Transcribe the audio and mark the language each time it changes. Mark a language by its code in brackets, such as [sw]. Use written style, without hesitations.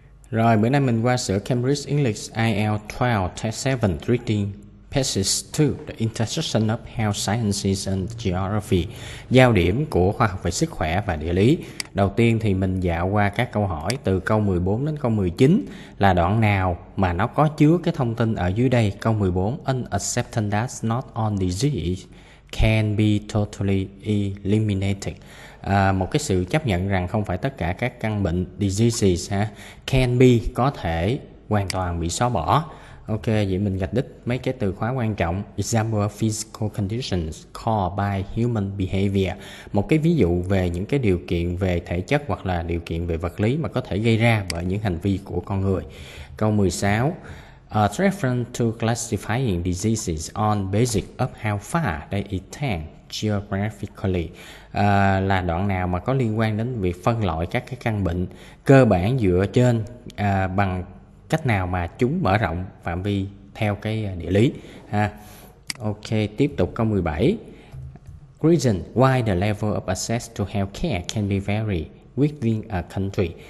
[vi] Rồi, bữa nay mình qua sửa Cambridge English IELTS 12 Test 7 Reading Passage 2, [en] The Intersection of Health Sciences and Geography, [vi] giao điểm của khoa học về sức khỏe và địa lý. Đầu tiên thì mình dạo qua các câu hỏi từ câu 14 đến câu 19 là đoạn nào mà nó có chứa cái thông tin ở dưới đây. Câu 14, [en] An acceptance that's not on disease can be totally eliminated. [vi] À, một cái sự chấp nhận rằng không phải tất cả các căn bệnh diseases ha, [en] can be, [vi] có thể hoàn toàn bị xóa bỏ. Ok, vậy mình gạch đích mấy cái từ khóa quan trọng. [en] Example of physical conditions caused by human behavior. [vi] Một cái ví dụ về những cái điều kiện về thể chất hoặc là điều kiện về vật lý mà có thể gây ra bởi những hành vi của con người. Câu 16. [en] A reference to classifying diseases on basis of how far they extend geographically. [vi] Là đoạn nào mà có liên quan đến việc phân loại các cái căn bệnh cơ bản dựa trên bằng cách nào mà chúng mở rộng phạm vi theo cái địa lý ha. Ok, tiếp tục câu 17. [en] Reason why the level of access to healthcare can be vary within a country.